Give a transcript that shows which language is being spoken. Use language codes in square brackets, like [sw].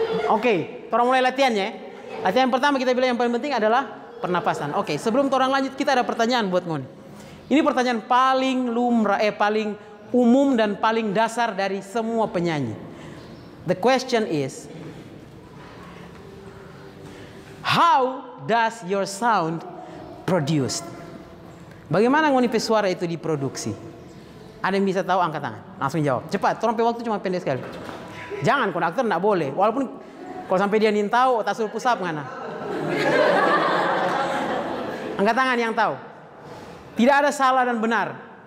[xmm] Oke, torang mulai latihannya. Latihan yang pertama kita bilang yang paling penting adalah pernapasan. Oke, sebelum torang lanjut kita ada pertanyaan buat Ngoni. Ini pertanyaan paling lumrah, paling umum dan paling dasar dari semua penyanyi. [en] The question is, how does your sound produced? [xmm] Bagaimana Ngoni pe suara itu diproduksi? Ada yang bisa tahu angkat tangan. Langsung jawab. Cepat, torang pe waktu cuma pendek sekali. Jangan, konduktor enggak boleh. Walaupun kalau sampai dia nintau, tak suruh pusap ngana. Angkat tangan yang tahu. Tidak ada salah dan benar.